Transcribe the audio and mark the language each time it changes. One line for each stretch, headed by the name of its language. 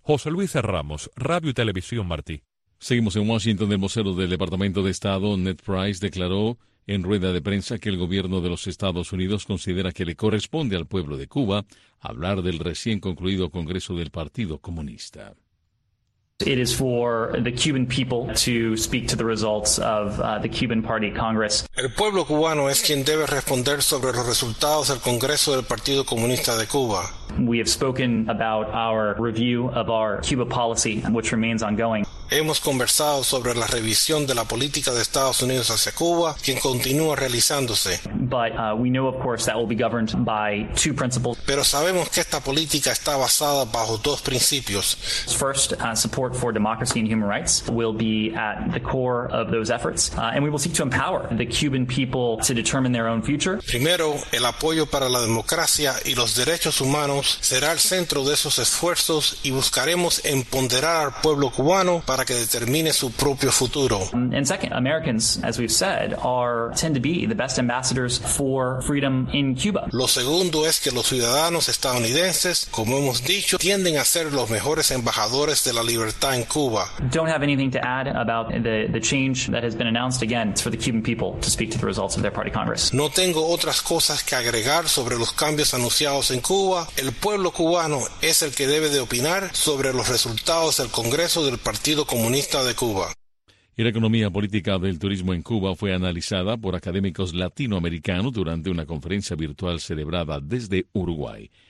Spanish: José Luis Ramos, Radio y Televisión Martí. Seguimos en Washington. El vocero del Departamento de Estado, Ned Price, declaró en rueda de prensa que el gobierno de los Estados Unidos considera que le corresponde al pueblo de Cuba hablar del recién concluido Congreso del Partido Comunista.
English: It is for the Cuban people to speak to the results of the Cuban Party Congress.
Spanish: El pueblo cubano es quien debe responder sobre los resultados del Congreso del Partido Comunista de Cuba.
English: We have spoken about our review of our Cuba policy, which remains ongoing.
Spanish: Hemos conversado sobre la revisión de la política de Estados Unidos hacia Cuba, quien continúa realizándose. Pero sabemos que esta política está basada bajo dos principios.
English: First, support for democracy and human rights will be at the core of those efforts, and we will seek to empower the Cuban people to determine their own future.
Spanish: Primero, el apoyo para la democracia y los derechos humanos será el centro de esos esfuerzos y buscaremos empoderar al pueblo cubano para que determine su propio futuro.
English: And second, Americans, as we've said, tend to be the best ambassadors for freedom in Cuba.
Spanish: Lo segundo es que los ciudadanos estadounidenses, como hemos dicho, tienden a ser los mejores embajadores de la libertad en Cuba.
English: Don't have anything to add about the change that has been announced. Again, it's for the Cuban people to speak to the results of their party Congress.
Spanish: No tengo otras cosas que agregar sobre los cambios anunciados en Cuba. El pueblo cubano es el que debe de opinar sobre los resultados del Congreso del Partido Comunista de Cuba. Y la economía política del turismo en Cuba fue analizada por académicos latinoamericanos durante una conferencia virtual celebrada desde Uruguay.